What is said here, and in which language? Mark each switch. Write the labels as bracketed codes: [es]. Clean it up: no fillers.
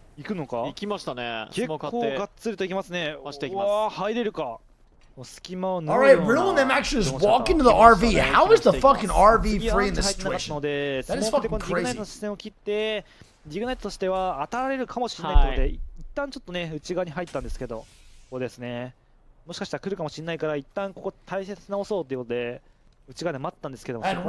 [ja] 行くのか?行きましたね。結構がっつりと行きますね。わー、入れるか? [en] Alright, Riddle and them actually just walk into the RV. How is the fucking RV free in this situation? That is fucking crazy. [ja] ディグナイトとしては当たられるかもしれないので、一旦ちょっとね、内側に入ったんですけど、こうですね。もしかしたら来るかもしれないから、一旦ここ体勢立て直そうということで、内側で待ったんですけど。And